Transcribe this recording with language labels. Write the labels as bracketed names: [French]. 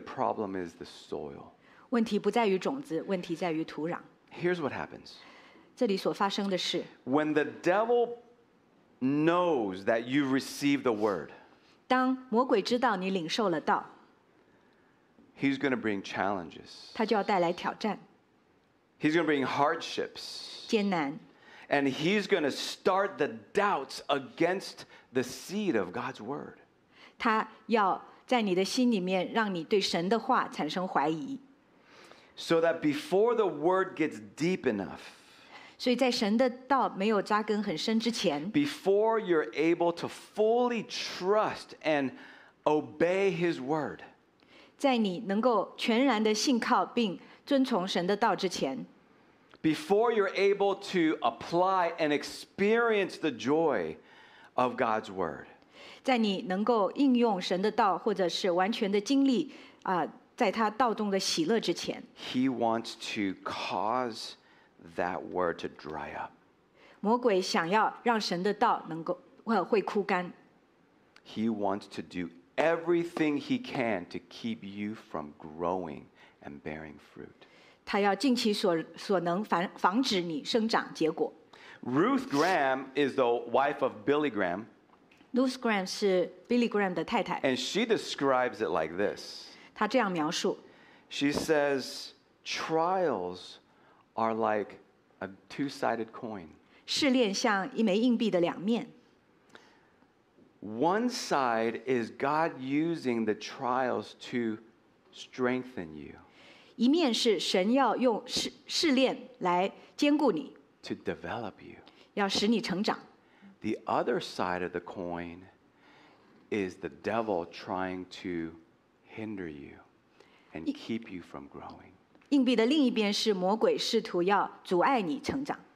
[English] The problem is the soil. [Chinese] 问题不在于种子，问题在于土壤。 [English] Here's what happens. [Chinese] 这里所发生的事。 [English] When the devil knows that you receive the word. [Chinese] 当魔鬼知道你领受了道。 [English] He's going to bring challenges. [Chinese] 他就要带来挑战。 [English] He's going to bring hardships. [Chinese] 艰难。 [English] And he's going to start the doubts against the seed of God's word. [Chinese] 他要在你的心里面让你对神的话产生怀疑。 [English] So that before the word gets deep enough, [Chinese] 所以在神的道没有扎根很深之前， [English] before you're able to fully trust and obey his word, [Chinese] 在你能够全然的信靠并遵从神的道之前， [English] Before you're able to apply and experience the joy of God's word, [Chinese] 在你能够应用神的道或者是完全的经历在他道中的喜乐之前， [English] He wants to cause that word to dry up. [Chinese] 魔鬼想要让神的道能够会枯干。 [English] He wants to do everything he can to keep you from growing and bearing fruit. [Chinese] 他要尽其所能防止你生长结果。 [English] Ruth Graham is the wife of Billy Graham. [Chinese] Ruth Graham 是 Billy Graham 的太太。 [English] And she describes it like this. [Chinese] 她这样描述。 [English] She says, trials are like a two-sided coin. [Chinese] 试炼像一枚硬币的两面。 [English] One side is God using the trials to strengthen you. [Chinese] 一面是神要用试炼来坚固你。 [English] To develop you. [Chinese] 要使你成长。 [English] The other side of the coin is the devil trying to hinder you and keep you from growing. [Chinese] 硬币的另一边是魔鬼试图要阻碍你成长。